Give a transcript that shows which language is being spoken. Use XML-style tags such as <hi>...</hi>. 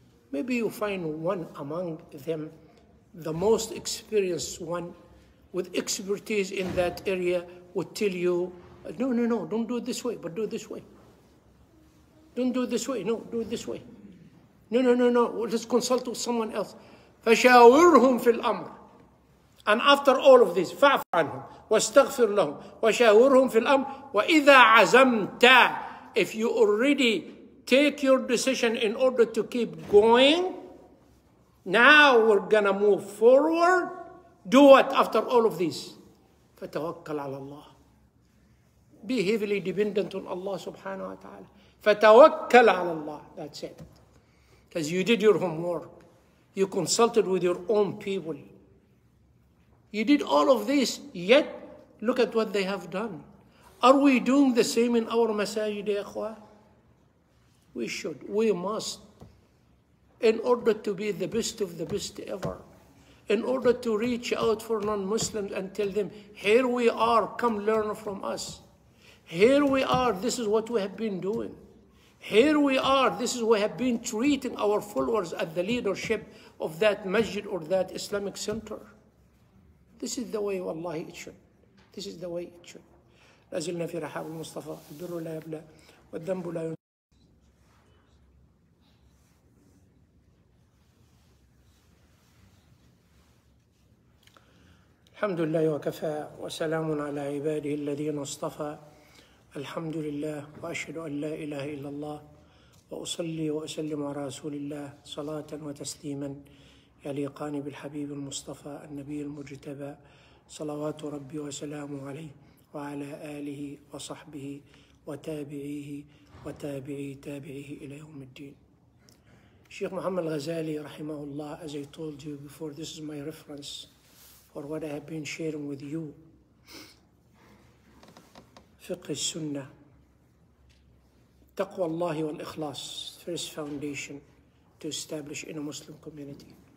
<en>Maybe you find one among them, the most experienced one, with expertise in that area, would tell you, no, don't do it this way, but do it this way. Don't do it this way, no, do it this way. No, let's consult with someone else.</en> <ar>فَشَاوِرْهُمْ فِي الْأَمْرِ.</ar> <en>And after all of this,</en> <ar>فَعْفُ عَنْهُمْ وَاسْتَغْفِرْ لَهُمْ وَشَاوِرْهُمْ فِي الْأَمْرِ وَإِذَا عَزَمْتَ.</ar> <en>If you already take your decision in order to keep going, now we're going to move forward. Do what after all of this?</en> <ar>فَتَوَكَّلْ عَلَى اللَّهِ.</ar> <en>Be heavily dependent on Allah subhanahu wa ta'ala.</en> <ar>فَتَوَكَّلْ عَلَى اللَّهِ.</ar> <en>That's it. Because you did your homework. You consulted with your own people. You did all of this, yet look at what they have done. Are we doing the same in our masajid, ya akhwa? We should, we must. In order to be the best of the best ever, in order to reach out for non-Muslims and tell them, here we are, come learn from us. Here we are, this is what we have been doing. Here we are, this is what we have been treating our followers at the leadership of that masjid or that Islamic center. This is the way, wallahi, it should. This is the way it should.</en> <ar>لازلنا في رحاب المصطفى البر لا يبلى والذنب لا ينسى. الحمد لله وكفى وسلام على عباده الذين اصطفى. الحمد لله وأشهد أن لا إله إلا الله وأصلي وأسلم على رسول الله صلاة وتسليما يليقان بالحبيب المصطفى النبي المجتبى صلوات ربي وسلامه عليه وعلى آله وصحبه وتابعيه وتابعي تابعيه إلى يوم الدين.</ar> <en>شيخ محمد الغزالي رحمه الله, as I told you before, this is my reference for what I have been sharing with you. Fiqh al-Sunnah, Taqwa Allah wa al-Ikhlas, first foundation to establish in a Muslim community.</en>